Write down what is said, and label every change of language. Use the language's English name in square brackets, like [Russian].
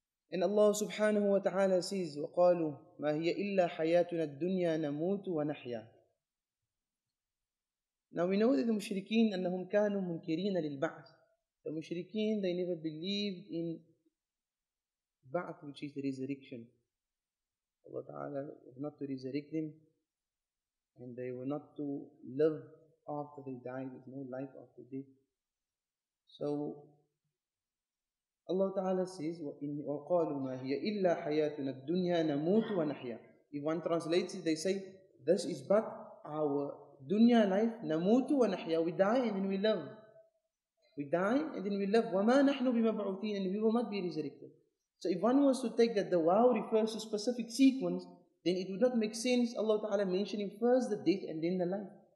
[English] And Allah subhanahu wa ta'ala says, [Arabic] وَقَالُوا مَا هِيَ إِلَّا حَيَاتُنَا الدُّنْيَا نَمُوتُ وَنَحْيَا. [English] Now we know that the mushrikeen, [Arabic] أَنَّهُمْ كَانُوا مُنْكِرِينَ لِلْبَعْثِ. [English] The mushrikeen, they never believed in ba'ath, which is the resurrection. Allah ta'ala was not to resurrect them, and they were not to live after they died. There's no life after death. So Allah Ta'ala says, [Arabic] وَقَالُوا مَا هِيَ إِلَّا حَيَاتُنَا الدُّنْيَا نَمُوتُ وَنَحْيَا. [English] If one translates it, they say, this is but our dunya life, [Arabic] نَمُوتُ وَنَحْيَا. [English] We die and then we live. We die and then we live. [Arabic] وَمَا نَحْنُ بِمَبْعُوثِينَ. [English] And we will not be resurrected. So if one was to take that the waw refers to specific sequence, then it would not make sense Allah Ta'ala mentioning first the death and then the life.